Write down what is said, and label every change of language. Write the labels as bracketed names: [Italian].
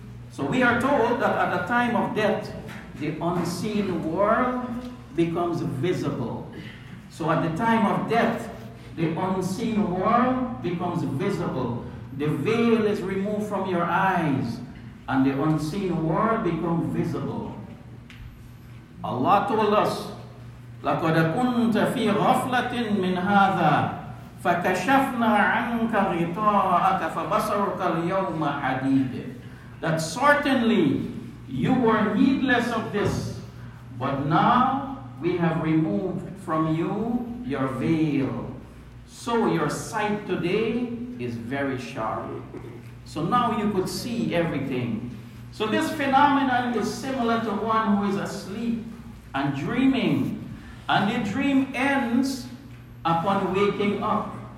[English] So we are told that at the time of death, the unseen world becomes visible. So at the time of death, the unseen world becomes visible. The veil is removed from your eyes, and the unseen world becomes visible. Allah told us, [Arabic] لقد كنت في غفلة من هذا فكشفنا عنك غطاءك فبصرك اليوم حديد. [English] That certainly you were heedless of this, but now we have removed from you your veil, so your sight today is very sharp. So now you could see everything. So this phenomenon is similar to one who is asleep and dreaming, and the dream ends upon waking up.